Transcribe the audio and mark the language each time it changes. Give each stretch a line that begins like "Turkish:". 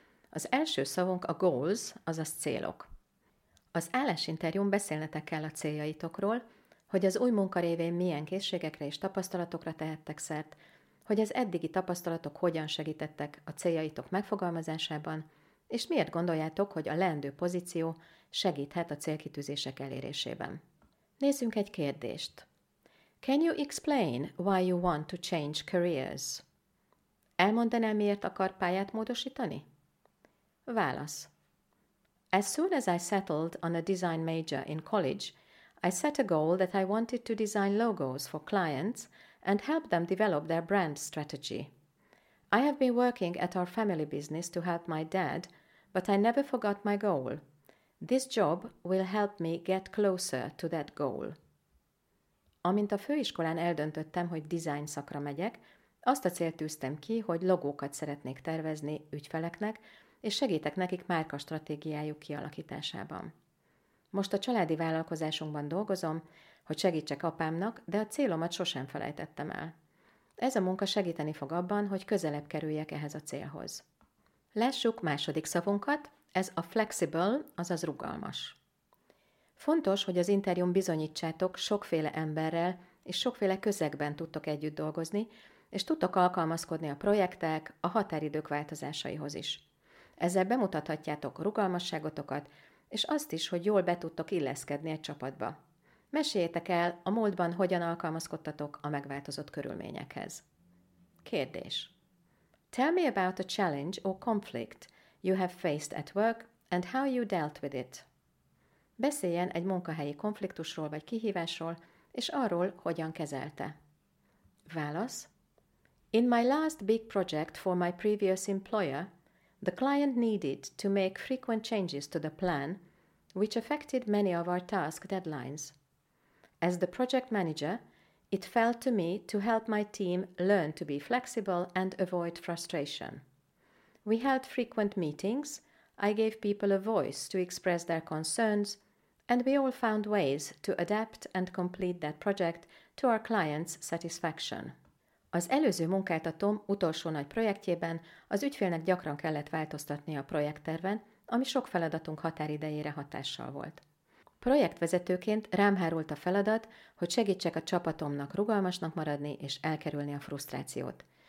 Hungarian: Az első szavunk a goals, azaz célok. Az állásinterjún beszélnetek kell a céljaitokról, hogy az új munka révén milyen készségekre és tapasztalatokra tehettek szert, hogy az eddigi tapasztalatok hogyan segítettek a céljaitok megfogalmazásában, és miért gondoljátok, hogy a leendő pozíció segíthet a célkitűzések elérésében. Nézzünk egy kérdést.
English: Can you explain why you want to change careers?
Hungarian: Elmondanál, miért akar pályát módosítani? Válasz.
English: As soon as I settled on a design major in college, I set a goal that I wanted to design logos for clients and help them develop their brand strategy. I have been working at our family business to help my dad, but I never forgot my goal. This job will help me get closer to that goal.
Hungarian: Amint a főiskolán eldöntöttem, hogy design szakra megyek, azt a célt tűztem ki, hogy logókat szeretnék tervezni ügyfeleknek, és segítek nekik márka stratégiájuk kialakításában. Most a családi vállalkozásunkban dolgozom, hogy segítsek apámnak, de a célomat sosem felejtettem el. Ez a munka segíteni fog abban, hogy közelebb kerüljek ehhez a célhoz. Lássuk második szavunkat, ez a flexible, azaz rugalmas. Fontos, hogy az interjún bizonyítsátok, sokféle emberrel és sokféle közegben tudtok együtt dolgozni, és tudtok alkalmazkodni a projektek, a határidők változásaihoz is. Ezzel bemutathatjátok rugalmasságotokat, és azt is, hogy jól be tudtok illeszkedni egy csapatba. Meséljétek el, a múltban hogyan alkalmazkodtatok a megváltozott körülményekhez. Kérdés.
English: Tell me about a challenge or conflict you have faced at work and how you dealt with it.
Hungarian: Beszéljen egy munkahelyi konfliktusról vagy kihívásról, és arról, hogyan kezelte. Válasz.
English: In my last big project for my previous employer, the client needed to make frequent changes to the plan, which affected many of our task deadlines. As the project manager, it fell to me to help my team learn to be flexible and avoid frustration. We held frequent meetings, I gave people a voice to express their concerns, and we all found ways to adapt and complete that project to our client's satisfaction.
Hungarian: Az előző munkáltatóm utolsó nagy projektjében az ügyfélnek gyakran kellett változtatni a projektterven, ami sok feladatunk határidejére hatással volt. Projektvezetőként rám hárult a feladat, hogy segítsek a csapatomnak rugalmasnak maradni és elkerülni a frusztrációt.